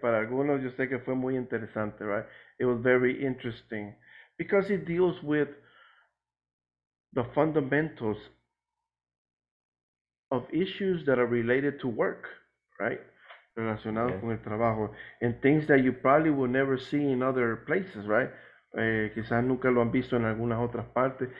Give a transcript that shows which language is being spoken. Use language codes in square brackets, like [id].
[es] Para algunos yo sé que fue muy interesante, right? [en] It was very interesting because it deals with the fundamentals of issues that are related to work, right? [es] Relacionados con el trabajo. [en] And things that you probably will never see in other places, right? [es] Quizás nunca lo han visto en algunas otras partes.